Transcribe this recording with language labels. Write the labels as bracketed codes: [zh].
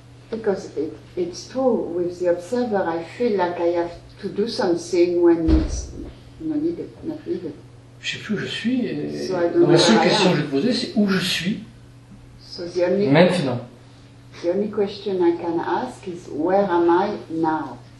[en] Because it's true with the observer, I feel like I have to do something when it's not needed, not needed. [fr] Je ne sais plus où je suis. Et la seule question que je vais te poser, c'est où je suis maintenant. [en] The only question I can ask is where am I now?